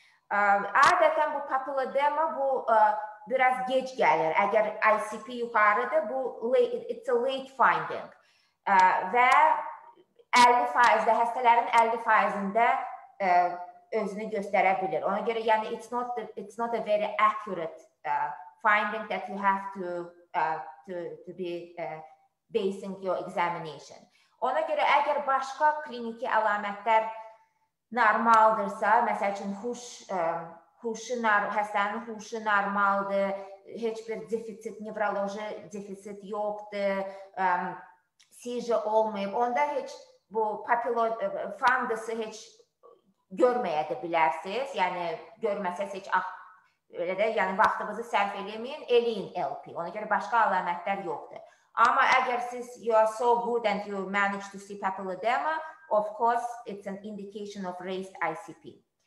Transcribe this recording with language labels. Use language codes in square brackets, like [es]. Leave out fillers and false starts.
[az] Adətən bu papilledema bu biraz gec gəlir. Əgər ICP yuxarıdır, bu [en] it's a late finding. [az] Və 50%-də, həstələrin 50%-ində özünü göstərə bilir. Ona görə, yəni, [en] it's not a very accurate finding that you have to be basing your examination. [az] Ona görə, əgər başqa kliniki əlamətlər normaldırsa, məsəl üçün, həstənin huşu normaldır, heç bir defisit, nevroloji defisit yoxdur, seizure olmayıb, onda heç bu fundusu heç görməyə də bilərsiniz, yəni görməsəz heç Öyle de yani vaxtınızı sərf eləməyin, eləyin LP. Ona göre başka alamətlər yoxdur. Ama eğer siz [en] you are so good and you manage to see papilledema, of course it's an indication of raised ICP.